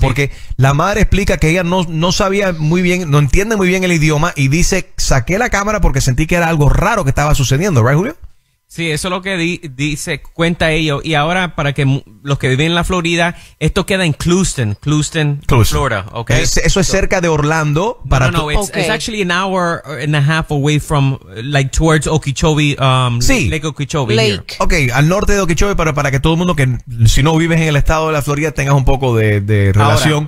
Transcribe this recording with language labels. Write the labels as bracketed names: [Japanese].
[Spanish] Porque la madre explica que ella no sabía muy bien, no entiende muy bien el idioma y dice, saqué la cámara porque sentí que era algo raro que estaba sucediendo. [English] ¿Right, Julio? [Spanish] Sí, eso es lo que dice, cuenta ellos. Y ahora, para que los que viven en la Florida, esto queda en Clueston, Florida. Okay. Eso es cerca de Orlando. Para [English] no, it's actually an hour and a half away from, like, towards Okeechobee, Lake Okeechobee. Lake. [Spanish] Ok, al norte de Okeechobee, pero para que todo el mundo que, si no vives en el estado de la Florida, tengas un poco de relación.